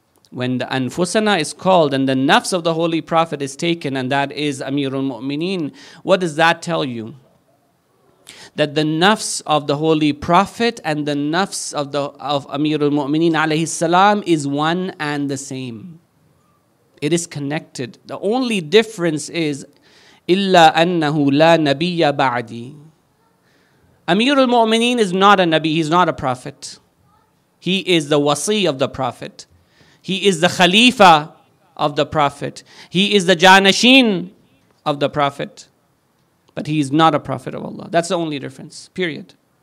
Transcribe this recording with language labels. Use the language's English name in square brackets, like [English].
[English] When the Anfusana is called and the nafs of the Holy Prophet is taken, and that is Amir al-Mu'mineen, what does that tell you? That the nafs of the Holy Prophet and the nafs of Amir al-Mu'mineen alayhi salam is one and the same. It is connected. The only difference is [Arabic] إِلَّا أَنَّهُ لَا نَبِيَّ بَعْدِي. [English] Amir al-Mu'mineen is not a Nabi, he's not a prophet. He is the wasi of the prophet. He is the khalifa of the prophet. He is the janashin of the prophet. But he is not a prophet of Allah. That's the only difference, period.